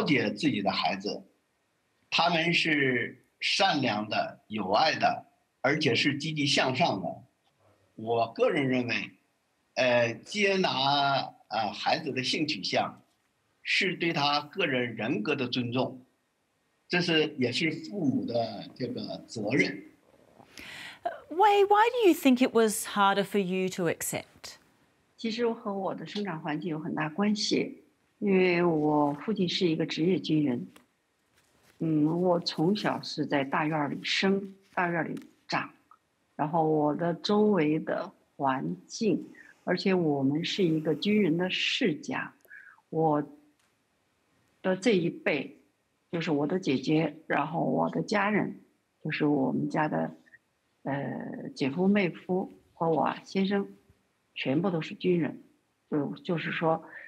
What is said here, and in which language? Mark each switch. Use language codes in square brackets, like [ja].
[zh] 是因为他们是一个少数的群体，他们和其他人会有同等的权利，所以说呢，支持他们是应该的。第二个呢，是出于对孩子的爱，因为我们跟孩子在一起生活，18年，我们了解自己的孩子，他们是。善良的、友爱的，而且是积极向上的。我个人认为，接纳孩子的性取向，是对他个人人格的尊重，这是也是父母的这个责任。 [en] Wei, why do you think it was harder for you to accept? [zh] 其实和我的生长环境有很大关系，因为我父亲是一个职业军人。我从小是在大院里生，大院里长，然后我的周围的环境，而且我们是一个军人的世家，我的这一辈，就是我的姐姐，然后我的家人，就是我们家的姐夫、妹夫和我先生，全部都是军人，就是说。